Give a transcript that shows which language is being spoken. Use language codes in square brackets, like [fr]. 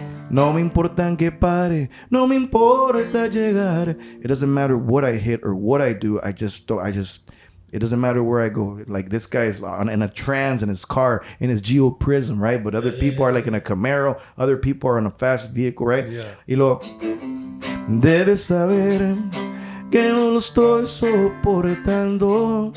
[es] No me importa que pare, no me importa llegar. [en] It doesn't matter what I hit or what I do. It doesn't matter where I go. Like, this guy is in a trans in his car, in his Geo Prism, right? But other people are like in a Camaro. Other people are in a fast vehicle, right? Yeah. [es] Y lo debes saber que no lo estoy soportando.